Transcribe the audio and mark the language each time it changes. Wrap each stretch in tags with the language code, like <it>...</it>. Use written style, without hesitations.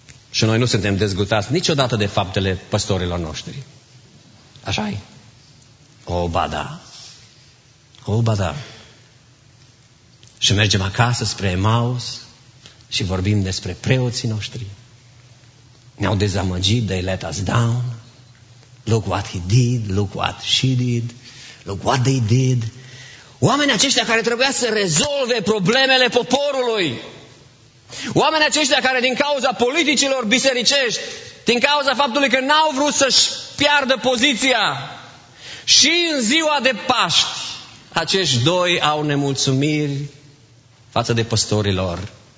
<ro>Și noi nu suntem dezgustați niciodată de faptele păstorilor noștri. Așa-i? O, ba da. Și mergem acasă spre Emaus și vorbim despre preoții noștri. Ne-au dezamăgit,</ro> <en>they let us down. Look what he did, look what she did, look what they did.</en> <ro>Oamenii aceștia care trebuia să rezolve problemele poporului. Oamenii aceștia care din cauza politicilor bisericești, din cauza faptului că n-au vrut să-și piardă poziția, și în ziua de Paști, acești doi au nemulțumiri față de păstorilor.</ro>